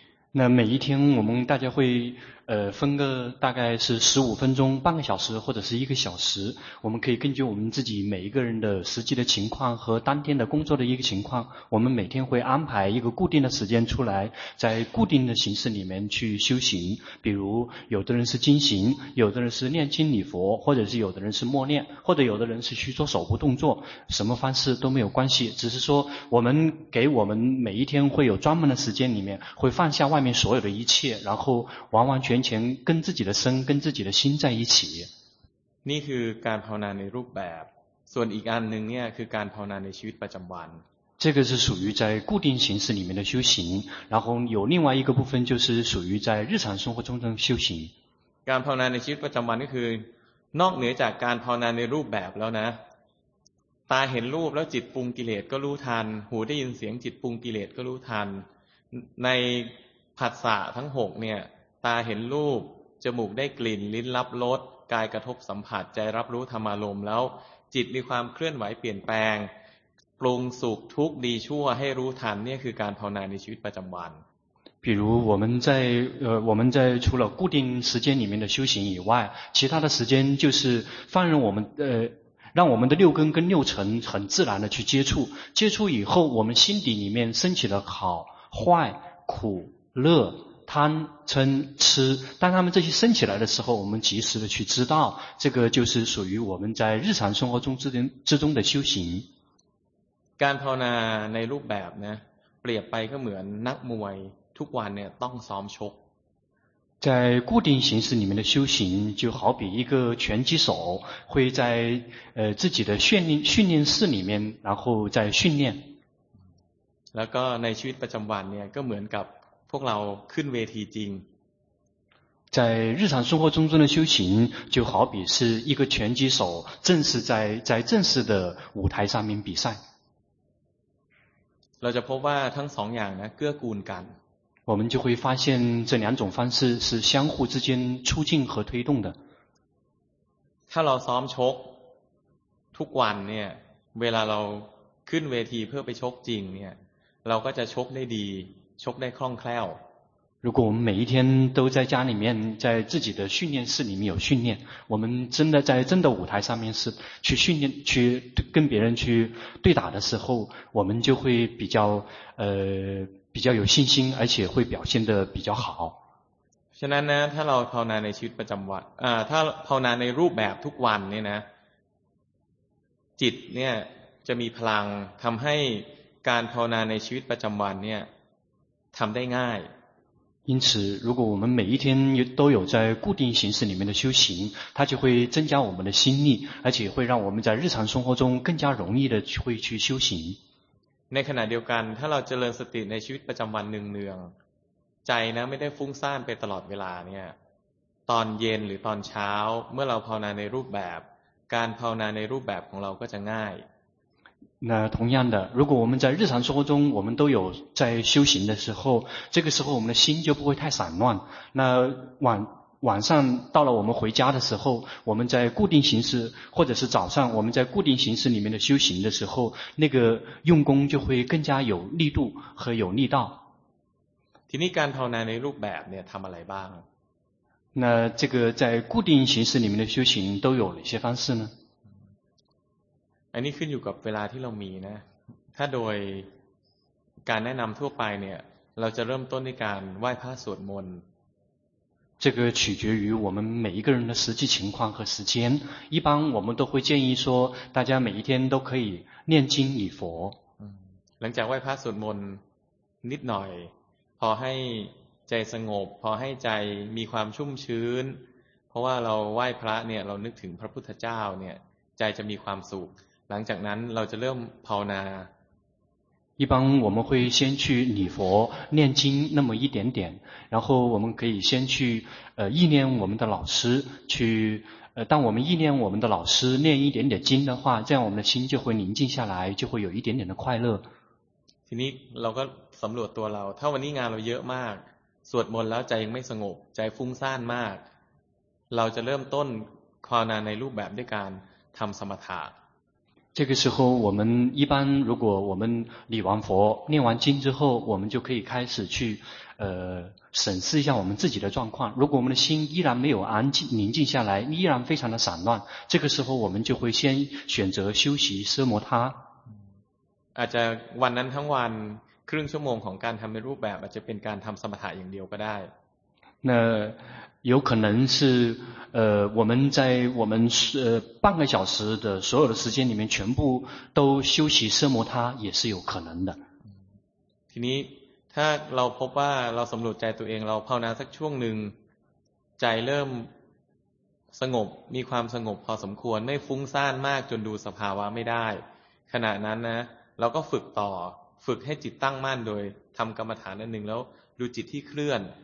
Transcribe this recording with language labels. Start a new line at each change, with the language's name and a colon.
Chinese: 那每一天我们大家会分个大概是15分钟半个小时或者是一个小时我们可以根据我们自己每一个人的实际的情况和当天的工作的一个情况我们每天会安排一个固定的时间出来在固定的形式里面去修行比如有的人是精行有的人是念经礼佛或者是有的人是默念或者有的人是去做手部动作什么方式都没有关系只是说我们给我们每一天会有专门的时间里面会放下外面所有的一切然后完完全全跟自己的身跟自己的心在一起
Thai: นี่คือการภาวนาในรูปแบบส่วนอีกอันหนึ่งเนี่ยคือการภาวนาในชีวิตประจำวัน
Chinese: 这个是属于在固定形式里面的修行然后有另外一个部分就是属于在日常生活中的修行
Thai: การภาวนาในชีวิตประจำวันก็คือนอกเหนือจากการภาวนาในรูปแบบแล้วนะตาเห็นรูปแล้วจิตปรุงกิเลสก็รู้ทันหูได้ยินเสียงจิตปรุงกิเลสก็รู้ทันในผัสสะทั้ง6เนี่ยตาเห็นรูปจมูกได้กลิ่นลิ้นรับรสกายกระทบสัมผัสใจรับรู้ธรรมารมณ์แล้วจิตมีความเคลื่อนไหวเปลี่ยนแปลงปรุงสุขทุกข์ดีชั่วให้รู้ทันเนี่ยคือการภาวนาในชีวิตประจำวัน
Chinese: 比如我们在除了固定时间里面的修行以外其他的时间就是放任我们让我们的六根跟六尘很自然的去接触接触以后我们心底里面升起了好坏苦乐贪嗔痴当他们这些升起来的时候我们及时的去知道这个就是属于我们在日常生活中之中的修行
Thai: การภาวนาในรูปแบบนะเปรียบไปก็เหมือนนักมวยทุกวันเนี่ยต้องซ้อมชก
Chinese: 在固定形式里面的修行就好比一个拳击手会在自己的训练室里面然后再训练
Thai: แล้วก็ในชีวิตประจำวันเนี่ยก็เหมือนกับพวกเราขึ้นเวทีจริง
Chinese: 在日常生活中的修行就好比是一个拳击手正式在正式的舞台上面比赛。
Thai: เราจะพบว่าทั้งสองอย่างนะเกื้อกูลกัน
Chinese: 我们就会发现这两种方式是相互之间促进和推动的。
Thai: ถ้าเราซ้อมชกทุกวันเนี่ยเวลาเราขึ้นเวทีเพื่อไปชกจริงเนี่ยเราก็จะชกได้ดีชกได้คล่องแคล่ว
Chinese: 如果我们每一天都在家里面在自己的训练室里面有训练我们真的在真的舞台上面是去训练去跟别人去对打的时候我们就会比较有信心而且会表现得比较好
Thai: ฉะนั้นนะถ้าเราภาวนาในชีวิตประจำวันถ้าภาวนาในรูปแบบทุกวันเนี่ยนะจิตเนี่ยจะมีพลังทำให้การภาวนาในชีวิตประจำวันเนี่ยทำได้ง่าย
Chinese: 因此如果我们每一天都有在固定形式里面的修行它就会增加我们的心力而且会让我们在日常生活中更加容易的会去修行
Thai: ในขณะเดียวกันถ้าเราเจริญสติในชีวิตประจำวันเนืองๆใจนะไม่ได้ฟุ้งซ่านไปตลอดเวลาเนี่ยตอนเย็นหรือตอนเช้าเมื่อเราภาวนาในรูปแบบการภาวนาในรูปแบบของเราก็จะง่าย นะ
Chinese: 同样的如果我们在日常生活中我们都有在修行的时候这个时候我们的心就不会太散乱那晚上到了我们回家的时候我们在固定形式或者是早上我们在固定形式里面的修行的时候那个用功就会更加有力度和有力道
Thai: ทีนี้การภาวนาในรูปแบบเนี่ยทำอะไรบ้าง
Chinese: 那这个在固定形式里面的修行都有哪些方式呢
Thai: อันนี้ขึ้นอยู่กับเวลาที่เรามีนะถ้าโดยการแนะนำทั่วไปเนี่ยเราจะเริ่มต้นในการไหว้พระสวดมนต์
Chinese: 这个取决于我们每一个人的实际情况和时间一般我们都会建议说大家每一天都可以念经礼佛
Thai: หลังจากไหว้พระสวดมนต์นิดหน่อยพอให้ใจสงบพอให้ใจมีความชุ่มชื้นเพราะว่าเราไหว้พระเนี่ยเรานึกถึงพระพุทธเจ้าเนี่ยใจจะมีความสุขหลังจากนั้นเราจะเริ่มภาวนา
Chinese: 一般我们会先去礼佛念经那么一点点然后我们可以先去意念我们的老师去当我们意念我们的老师念一点点经的话这样我们的心就会宁静下来就会有一点点的快乐
Thai: ทีนี้เราก็สำรวจตัวเราถ้าวันนี้งานเราเยอะมากสวดมนต์แล้วใจยังไม่สงบใจฟุ้งซ่านมากเราจะเริ่มต้นภาวนาในรูปแบบด้วยการทำสมถะ
Chinese: 这个时候我们一般如果我们礼完佛念完经之后我们就可以开始去审视一下我们自己的状况如果我们的心依然没有安静宁静下来依然非常的散乱这个时候我们就会先选择休息奢摩他
Thai: อาจจะวันนั้นทั้งวันครึ่งชั่วโมงของการทำในรูปแบบอาจจะเป็นการทำสมถะอย่างเดียวก็ได้
Chinese: 那有可能是我们在我们半个小时的所有的时间里面全部都休息奢摩他也是有可能的
Thai: ทีนี้ถ้าเราพบว่าเราสำรวจใจตัวเองเราภาวนาสักช่วงหนึ่งใจเริ่มสงบมีความสงบพอสมควรไม่ฟุ้งซ่านมากจนดูสภาวะไม่ได้ขณะนั้นนะเราก็ฝึกต่อฝึกให้จิตตั้งมั่นโดยทำกรรมฐานอันหนึ่งแล้วดูจิตที่เคลื่อน